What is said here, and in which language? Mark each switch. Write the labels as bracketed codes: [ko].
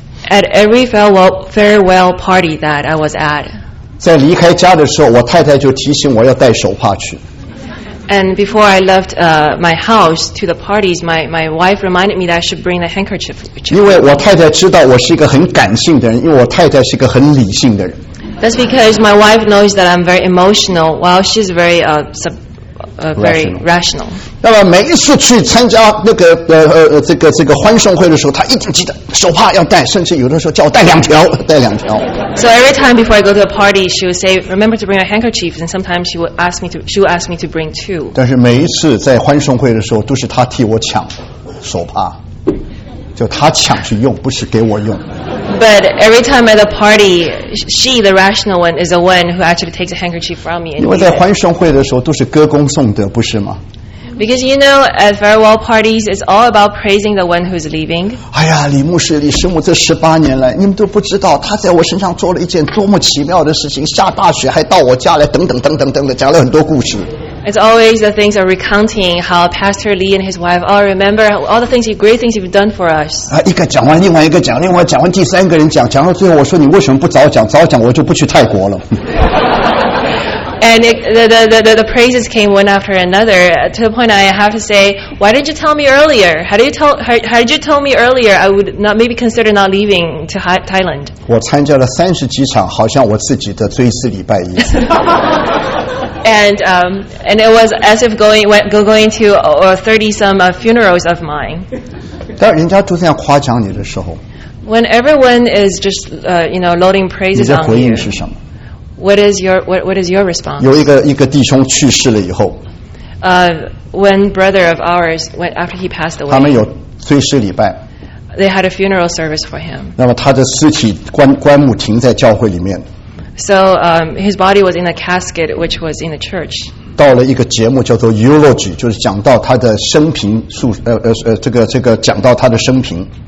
[en] ，at every farewell party that I was at. [zh] 在离开家的时候，我太太就提醒我要带手帕去。 [en] And before I left my house to the parties, my wife reminded me that I should bring the handkerchief. [zh] 因为我太太知道我是一个很感性的人，因为我太太是一个很理性的人。 [en] That's because my wife knows that I'm very emotional, while she's very very rational. [zh] 那么每一次去参加那个这个欢送会的时候，他一定记得手帕要带，甚至有的时候叫我带两条，带两条。 [en] So every time before I go to a party, she would say, "Remember to bring a handkerchief." And sometimes she would ask me to bring two. [zh] 但是每一次在欢送会的时候，都是他替我抢手帕，就他抢去用，不是给我用。 [en] But every time at a party, she, the rational one, is the one who actually takes a handkerchief from me. [zh] 因为在欢送会的时候都是歌功颂德，不是吗？ [en] Because you know, at farewell parties, it's all about praising the one who's leaving. [zh] 哎呀，李牧师、李师母，这十八年来，你们都不知道，他在我身上做了一件多么奇妙的事情，下大雪还到我家来，等等等等等等，讲了很多故事。 [en] It's always the things are recounting how Pastor Lee and his wife all remember all the things, great things you've done for us. [zh] 啊，一个讲完，另外一个讲，另外讲完，第三个人讲，讲到最后，我说你为什么不早讲？早讲我就不去泰国了。 [en] And the praises came one after another to the point I have to say, why didn't you tell me earlier? How did you tell me earlier? I would not maybe consider not leaving to Thailand. [zh] 我参加了三十几场，好像我自己的追思礼拜一。 [en] And it was as if going to or 30 some funerals of mine. [zh] 当人家都这样夸奖你的时候， [en] when everyone is just loading praises on you, [zh] 你的回应是什么？ [en] What is your response? [zh] 有一个弟兄去世了以后， [en] when brother of ours went after he passed away, [zh] 他们有追思礼拜。 [en] They had a funeral service for him. [zh] 那么他的尸体棺木停在教会里面。 [en] So his body was in a casket, which was in the church. [zh] 到了一个节目叫做 eulogy, 就是讲到他的生平述这个讲到他的生平。